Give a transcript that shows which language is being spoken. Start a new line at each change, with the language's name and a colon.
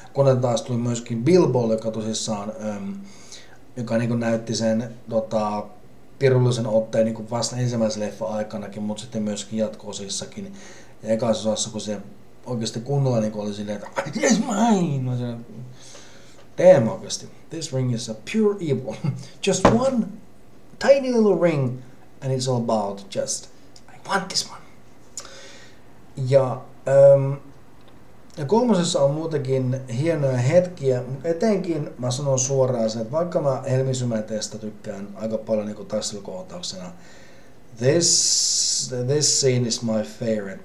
Finnish: Kun taas tuli myöskin Bilbo, joka tosissaan joka niin näytti sen tota, pirullisen otteen niin vasta ensimmäisen leffan aikanakin, mutta sitten myöskin jatko-osissakin. Ja ekassa osassa, kun se oikeasti kunnolla niin oli silleen, että
English: yes, mine!
Finnish: Mä sanoin,
English: damn oikeasti, this ring is a pure evil. Just one tiny little ring, and it's all about just, I want this one.
Finnish: Ja kolmosessa on muutenkin hienoja hetkiä, mutta etenkin mä sanon suoraan se, että vaikka mä helmisymäteestä tykkään aika paljon niin taistelukohtauksena,
English: this scene is my favorite.